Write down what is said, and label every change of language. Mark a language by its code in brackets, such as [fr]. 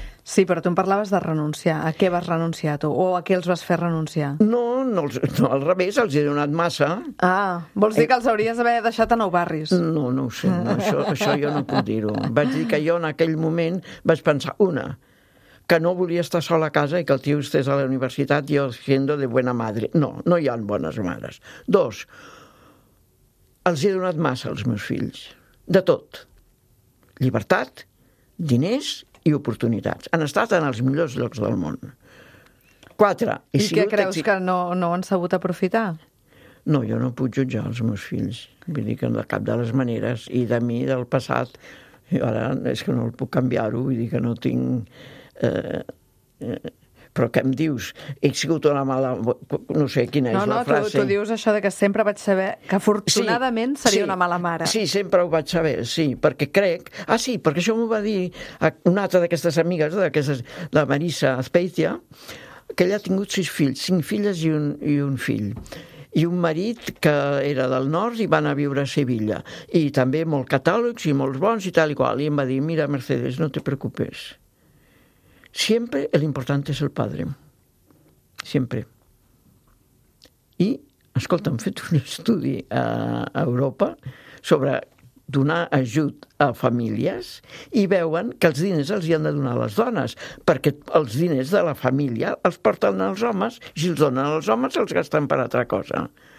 [ca] Sí, però tu em parlaves de renunciar. A què vas renunciar, tu? O a què els vas fer renunciar? No, al revés, els he donat massa. Ah, vols dir que els hauries d'haver deixat a Nou Barris? No ho sé, no, això jo no puc dir-ho. Vaig dir que jo en aquell moment vaig pensar, una, que no volia estar sola a casa i que el tio estés a la universitat i jo siendo de buena madre. No, no hi ha bones mares. Dos, els he donat massa als meus fills. De tot. Llibertat, diners i oportunitats. Han estat en els millors llocs del món. Quatre. I què creus, que no han sabut aprofitar? No, jo no puc jutjar els meus fills. Vull dir que de cap de les maneres, i de mi, del passat, ara és que no el puc canviar-ho, vull dir que no tinc... Però què em dius? He sigut una mala... No sé quina és la frase. No, tu dius això de que sempre vaig saber que afortunadament seria una mala mare. Sí, sempre ho vaig saber, sí, perquè crec... Ah, sí, perquè això m'ho va dir una altra d'aquestes amigues, la Marisa Azpeitia, que ella ha tingut 6 fills, 5 filles i un fill. I un marit que era del nord i van a viure a Sevilla. I també molt catàlegs i molts bons i tal i qual. I em va dir, mira, Mercedes, no te preocupes. [es] Siempre el importante es el padre. Siempre. [ca] I, escolta, hem fet un estudi a Europa sobre donar ajut a famílies i veuen que els diners els hi han de donar les dones, perquè els diners de la família els porten els homes i si els donen els homes els gasten per altra cosa.